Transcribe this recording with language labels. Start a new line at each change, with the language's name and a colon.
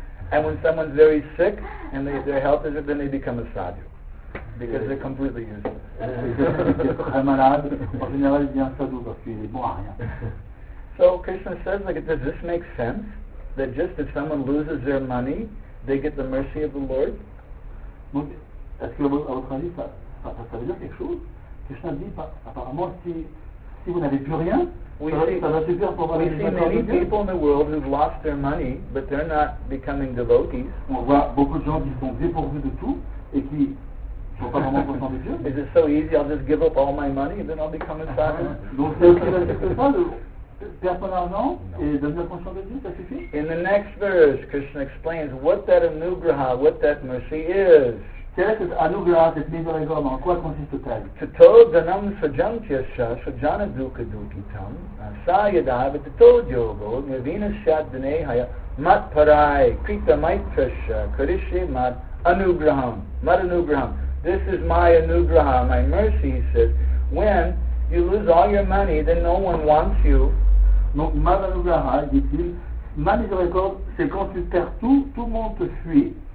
English: And when someone's very sick and their health is it, then they become a sadhu. Because they're completely useless. So Krishna says, like, does this make sense? That just if someone loses their money, they get the mercy of the Lord?
French: Est-ce que à votre avis ça veut dire quelque chose? Krishna dit apparemment si vous n'avez plus rien, ça va suffire pour avoir les mains.
English: We see many people in the world who've lost their money, but they're not becoming devotees.
French: On voit beaucoup de gens qui sont dépourvus de tout et qui ne sont pas vraiment conscients de Dieu.
English: Is it so easy? I'll just give up all my money and then I'll become a sadhu.
French: Donc c'est aussi la question de personne à non et devenir conscient de Dieu, ça suffit?
English: In the next verse, Krishna explains what that anugraha, what that mercy is.
French: Quelle est cette anugraha, cette miséricorde, en quoi consiste-t-elle?
Sanskrit: Tato dhanam sujam chyasya sujana dukha dukitam sayada vitato yogo nirvina syadhanehaya matparai krita maitrasya karishi mat anugraham mat anugraham.
English: This is my anugraha, my mercy, he says. When you lose all your money, then no one wants you.
French: Donc, mat anugraha, dit-il, ma miséricorde, c'est quand tu perds tout, tout le monde te fuit.